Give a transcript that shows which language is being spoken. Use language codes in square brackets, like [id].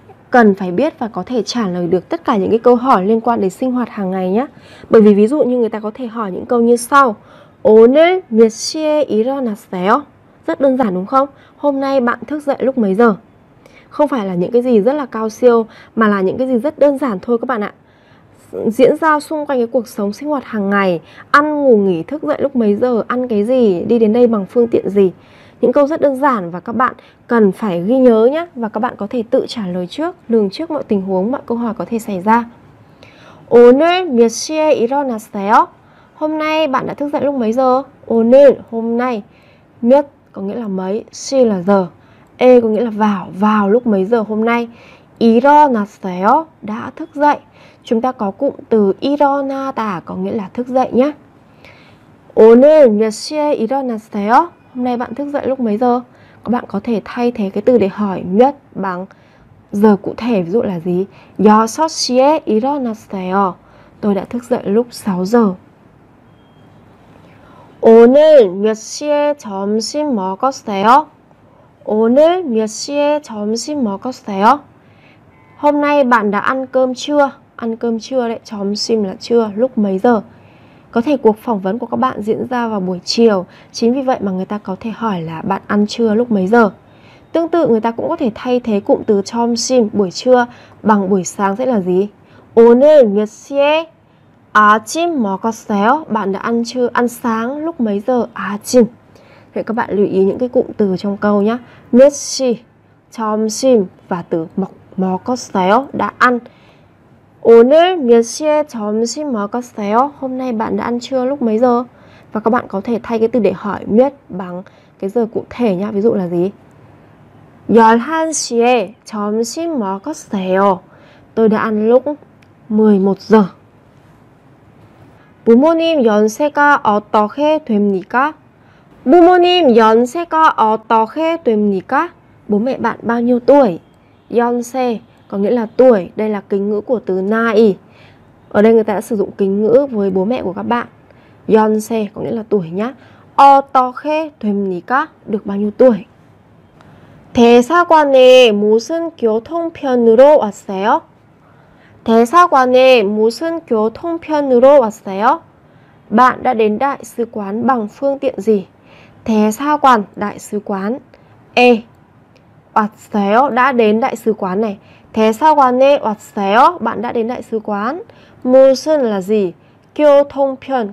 [vi] cần phải biết và có thể trả lời được tất cả những cái câu hỏi liên quan đến sinh hoạt hàng ngày nhé. Bởi vì ví dụ như người ta có thể hỏi những câu như sau. [ko] 오늘 몇 시에 일어났어요? [vi] Rất đơn giản đúng không? Hôm nay bạn thức dậy lúc mấy giờ? Không phải là những cái gì rất là cao siêu, mà là những cái gì rất đơn giản thôi các bạn ạ. Diễn ra xung quanh cái cuộc sống sinh hoạt hàng ngày, ăn ngủ nghỉ thức dậy lúc mấy giờ, ăn cái gì, đi đến đây bằng phương tiện gì. Những câu rất đơn giản và các bạn cần phải ghi nhớ nhé. Và các bạn có thể tự trả lời trước, lường trước mọi tình huống, mọi câu hỏi có thể xảy ra. [ko] 오늘 몇 시에 일어났어요? [vi] Hôm nay bạn đã thức dậy lúc mấy giờ? 오늘, hôm nay. 몇 có nghĩa là mấy, 시 là giờ. 에 có nghĩa là vào lúc mấy giờ hôm nay. 일어났어요, đã thức dậy. Chúng ta có cụm từ 일어나다 có nghĩa là thức dậy nhé. [ko] 오늘 몇 시에 일어났어요? [vi] Hôm nay bạn thức dậy lúc mấy giờ? Các bạn có thể thay thế cái từ để hỏi 몇 bằng giờ cụ thể, ví dụ là gì? [ko] 여섯 시에 일어났어요. [vi] Tôi đã thức dậy lúc 6 giờ. [ko] 오늘 몇 시에 점심 먹었어요? 오늘 몇 시에 점심 먹었어요? [vi] Hôm nay bạn đã ăn cơm chưa? Ăn cơm chưa đấy, 점심 là trưa, lúc mấy giờ? Có thể cuộc phỏng vấn của các bạn diễn ra vào buổi chiều, chính vì vậy mà người ta có thể hỏi là bạn ăn trưa lúc mấy giờ. Tương tự, người ta cũng có thể thay thế cụm từ 점심, buổi trưa, bằng buổi sáng sẽ là gì? [ko] 오늘 몇 시에 아침 먹었어요? [vi] Bạn đã ăn trưa, ăn sáng lúc mấy giờ? [ko] 아침. [vi] Vậy các bạn lưu ý những cái cụm từ trong câu nhé. 몇 시, 점심 và từ 먹었어요, đã ăn. [ko] 오늘 몇 시에 점심 먹었어요? [vi] Hôm nay bạn đã ăn trưa lúc mấy giờ? Và các bạn có thể thay cái từ để hỏi 몇 bằng cái giờ cụ thể nhé. Ví dụ là gì? [ko] 열한 시에 점심 먹었어요. [vi] Tôi đã ăn lúc 11 giờ. [ko] 부모님 연세가 어떻게 됩니까? 부모님 연세가 어떻게 됩니까? [vi] Bố mẹ bạn bao nhiêu tuổi? 연세 có nghĩa là tuổi, đây là kính ngữ của từ 나이. Ở đây người ta đã sử dụng kính ngữ với bố mẹ của các bạn. 연세 có nghĩa là tuổi nhá. [ko] 어떻게 됩니까? [vi] Được bao nhiêu tuổi? [ko] 대사관에 무슨 교통편으로 왔어요? 대사관에 무슨 교통편으로 왔어요? [vi] Bạn đã đến đại sứ quán bằng phương tiện gì? 대사관, đại sứ quán. [ko] 에 왔어요, [vi] đã đến đại sứ quán này. [ko] 대사관에 왔어요, [vi] bạn đã đến đại sứ quán. 무슨 là gì? [ko] 교통편